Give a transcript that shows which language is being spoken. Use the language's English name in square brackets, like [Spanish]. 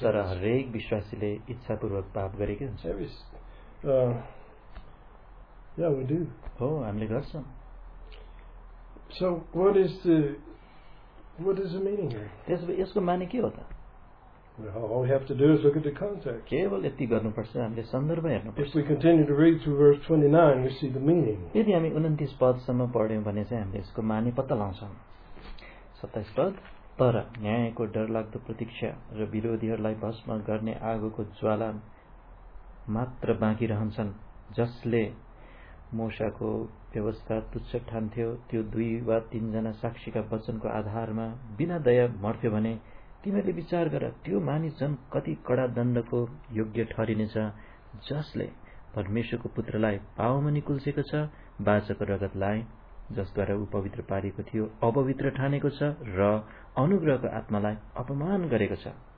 [Nepali] तर हरेक विश्वासीले इच्छापूर्वक पाप गरेकै हुन्छ. [English] Yeah, we do. [Nepali] Oh, हामीले गर्छौँ. [English] So what is the meaning here? [Nepali] त्यसो भए यसको माने के हो त? [English] All we have to do is look at the context. [Nepali] केवल यति गर्नु पर्छ हामीले सन्दर्भ हेर्नु पर्छ. [English] If we continue to read through verse 29, we see the meaning. [Nepali] यदि हामी 29 पदसम्म पढ्यौं भने चाहिँ हामीले यसको माने पत्ता लाउँछौं. 27 पद तर न्यायको डरलाग्दो प्रतीक्षा र विरोधीहरूलाई भस्म गर्ने आगोको ज्वाला मात्र बाँकी रहन्छन् जसले मोशाको व्यवस्था तुच्छ ठान्थ्यो त्यो दुई वा तीनजना साक्षीका वचनको आधारमा बिना दया मर्थ्यो भने तिमीले विचार गर त्यो मानिस झन् कति कडा दण्डको योग्य ठहरिनेछ जसले परमेश्वरको पुत्रलाई पावमा निकुल्सेको छ बाचाको रगतलाई जसद्वारा ऊ पवित्र पारिएको थियो अपवित्र ठानेको छ र अनुग्रहको आत्मालाई अपमान गरेको छ.